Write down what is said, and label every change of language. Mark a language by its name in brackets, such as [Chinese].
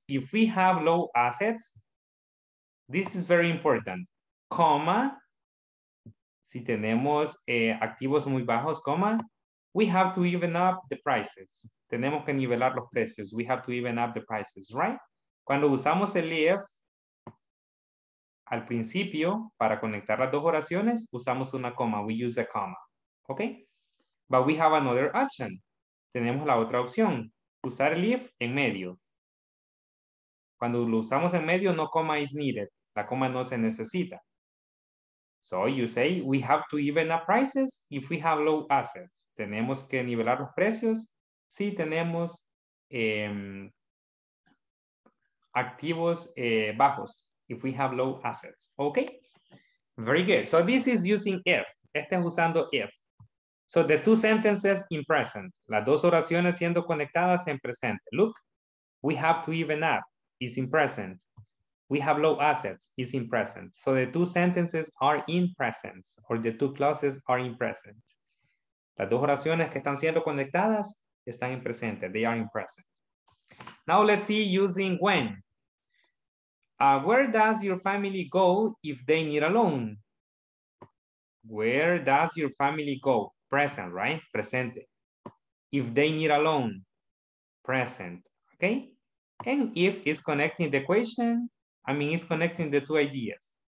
[English] If we have low assets, this is very important, comma, [Spanish] si tenemos activos muy bajos, [English] comma, we have to even up the prices. [Spanish] Tenemos que nivelar los precios. [English] We have to even up the prices, right? [Spanish] Cuando usamos el if al principio para conectar las dos oraciones, usamos una coma. [English] We use a comma, okay? But we have another option. [Spanish] Tenemos la otra opción, usar el if en medio. Cuando lo usamos en medio, [English] no coma is needed. [Spanish] La coma no se necesita. [English] So you say, we have to even up prices if we have low assets. [Spanish] Tenemos que nivelar los precios si tenemos activos bajos. [English] If we have low assets, okay? Very good. So this is using if. [Spanish] Este es usando if. [English] So the two sentences in present. [Spanish] Las dos oraciones siendo conectadas en presente. [English] Look, we have to even up. It's in present. We have low assets is in present. So the two sentences are in present, or the two clauses are in present. [Spanish] Las dos oraciones que están siendo conectadas están en presente. [English] They are in present. Now let's see using when. Where does your family go if they need a loan? Where does your family go? Present, right? Presente. If they need a loan, present, okay? And if is connecting the question, I mean, it's connecting the two ideas.